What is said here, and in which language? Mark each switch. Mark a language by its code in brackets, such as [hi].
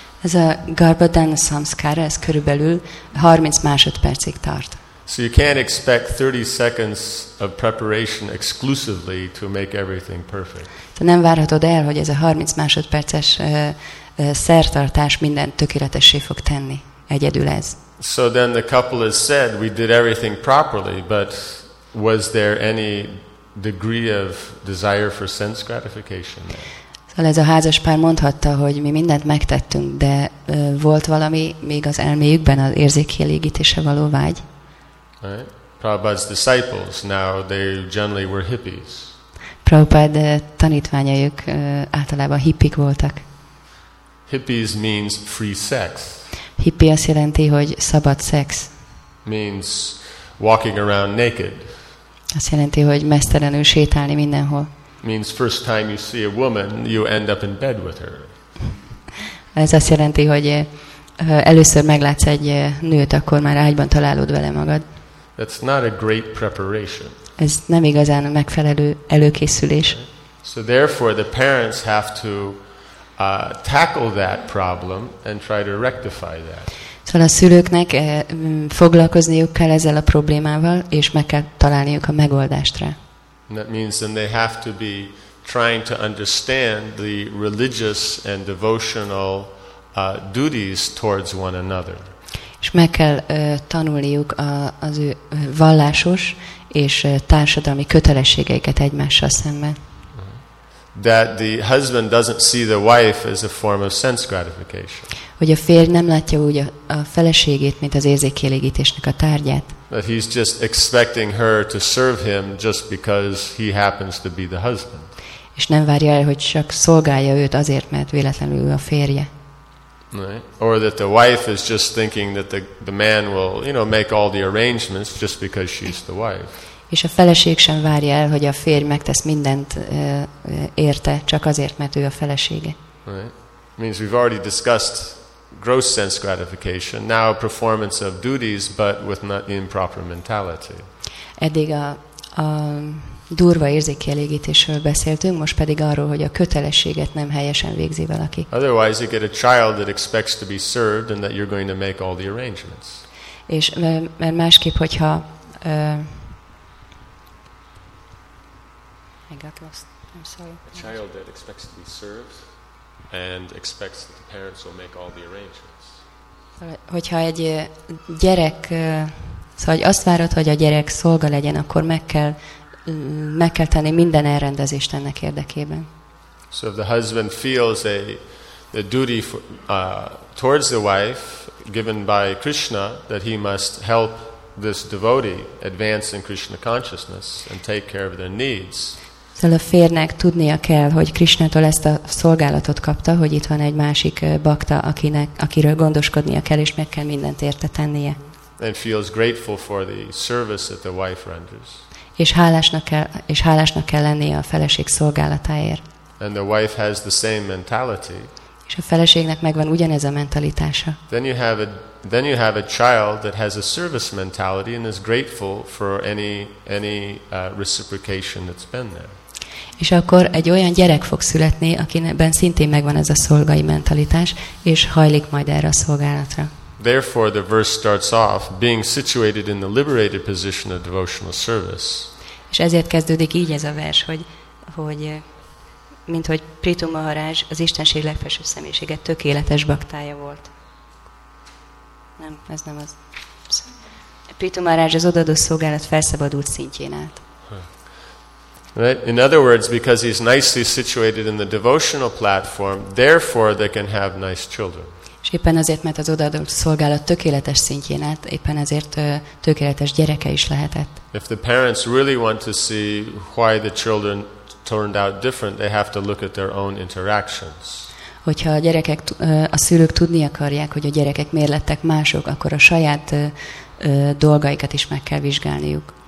[hu] Ez a Garbhadhan Samskar, ez körülbelül 30 másodpercig tart. [en] So you can't expect 30 seconds of preparation exclusively to make everything perfect. [hu] Te nem várhatod el, hogy ez a 30 másodperces szertartás minden tökéletessé fog tenni. Egyedül ez. [en] So then the couple has said we did everything properly, but was there any degree of desire for sense gratification there? [hu] Szóval ez a házaspár mondhatta, hogy mi mindent megtettünk, de volt valami még az elméjükben az érzékielégítése való vágy. [en] Right? Prabhupada's disciples, now they generally were hippies. [hu] Prabhupád tanítványaik általában hippik voltak. [en] Hippies means free sex. [hu] Hippie azt jelenti, hogy szabad szex. [en] Means walking around naked. [hu] Azt jelenti, hogy mesztelenül sétálni mindenhol. [en] Means first time you see a woman, you end up in bed with her. [hu] Ez azt jelenti, hogy először meglátsz egy nőt, akkor már ágyban találod vele magad. [en] That's not a great preparation. [hu] Ez nem igazán a megfelelő előkészülés. [en] So therefore the parents have to tackle that problem and try to rectify that. [hu] Szóval a szülőknek foglalkozniuk kell ezzel a problémával, és meg kell találniuk a megoldást rá. [en] That means then they have to be trying to understand the religious and devotional duties towards one another. [hu] És meg kell tanulniuk az ő vallásos és társadalmi kötelességeiket egymással szemben. [en] That the husband doesn't see the wife as a form of sense gratification. [hu] Hogy a férj nem látja úgy a feleségét, mint az érzékkielégítésnek a tárgyát. [en] That he's just expecting her to serve him just because he happens to be the husband. [hu] És nem várja el, hogy csak szolgálja őt azért, mert véletlenül ő a férje. [en] Right. Or that the wife is just thinking that the man will, you know, make all the arrangements just because she's the wife. [hu] És a feleség sem várja el, hogy a férj megtesz mindent érte, csak azért, mert ő a felesége. [en] Right. Means we've already discussed gross sense gratification, now performance of duties, but with not improper mentality. [hu] Eddig a durva érzékkielégítésről beszéltünk, most pedig arról, hogy a kötelességet nem helyesen végzi valaki. [en] Otherwise you get a child that expects to be served and that you're going to make all the arrangements. [hu] És mert másképp, hogyha [en] I got lost. I'm sorry. A child that expects to be served and expects that the parents will make all the arrangements. [hu] Hogyha egy gyerek, szóval azt várod, hogy a gyerek szolga legyen, akkor meg kell tenni minden elrendezést ennek érdekében. [en] So if the husband feels a duty towards the wife given by Krishna that he must help this devotee advance in Krishna consciousness and take care of their needs. [hu] Szóval a férnek tudnia kell, hogy Krishnától ezt a szolgálatot kapta, hogy itt van egy másik bakta, akiről gondoskodnia kell, és meg kell mindent érte tennie. [en] And feels grateful for the service that the wife renders. [hu] És hálásnak kell lennie a feleség szolgálatáért. [en] And the wife has the same mentality. [hu] És a feleségnek megvan ugyanez a mentalitása. [en] Then you have a child that has a service mentality and is grateful for any reciprocation that's been there. [hu] És akkor egy olyan gyerek fog születni, akiben szintén megvan ez a szolgai mentalitás, és hajlik majd erre a szolgálatra. [en] Therefore the verse starts off being situated in the liberated position of devotional service. [hu] És ezért kezdődik így ez a vers, hogy mint hogy Prithu Maharaj az Istenség legfelsőbb személyisége tökéletes baktája volt. Nem, ez nem az. Prithu Maharaj az odaadó szolgálat felszabadult szintjén állt. [en] Right? In other words, because he's nicely situated in the devotional platform, therefore they can have nice children. [hu] És éppen azért, mert az odaadó szolgálat tökéletes szintjén állt, éppen ezért tökéletes gyereke is lehetett. [en] If the parents really want to see why the children turned out different, they have to look at their own interactions. [hu] Hogyha a gyerekek, a szülők tudni akarják, hogy a gyerekek miért lettek mások, akkor a saját dolgaikat is meg kell vizsgálniuk.